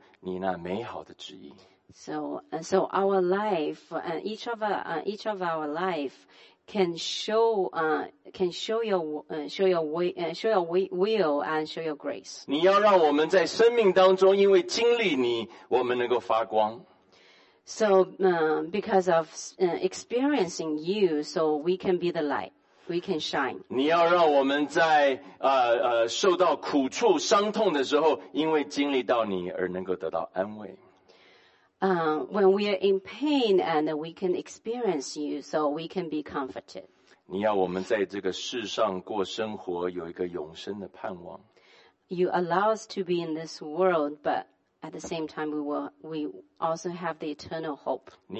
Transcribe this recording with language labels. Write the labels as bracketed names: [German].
[Chinese] 你要向我们每一个人的生命和我们的生活能够彰显出你那美好的旨意。 [English] So our life, each of our life, can show your will and show your grace. [Chinese] 你要让我们在生命当中因为经历你，我们能够发光。 [English] So because of experiencing you, so we can be the light. We can shine. [Chinese] 你要让我们在受到苦处、伤痛的时候，因为经历到你而能够得到安慰。 [English] When we are in pain and we can experience you, so we can be comforted. [Chinese] 你要我们在这个世上过生活，有一个永生的盼望。 [English] You allow us to be in this world, but at the same time, we also have the eternal hope.